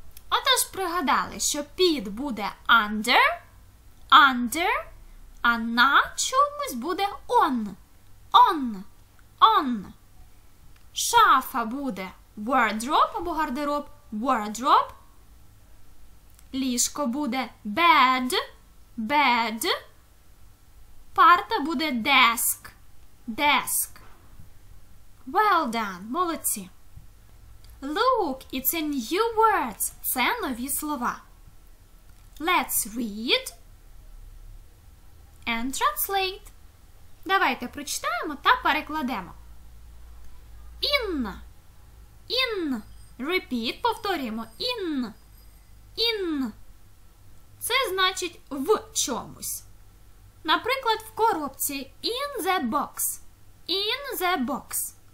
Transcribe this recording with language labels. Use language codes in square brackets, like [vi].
[uk] Отож, пригадали, що під буде [en] under, under, [uk] а на чомусь буде [en] on, on, on. [uk] Шафа буде wardrobe або гардероб, wardrobe. Ліжко буде bed, bed. Парта буде desk, desk. [en] Well done, [uk] молодці! [en] Look, it's a new words. [uk] Це нові слова. [en] Let's read and translate. [uk] Давайте прочитаємо та перекладемо. [en] In. In. Repeat, [uk] повторюємо. [en] In. In. [uk] Це значить в чомусь. Наприклад, в коробці. [en] In the box. In the box.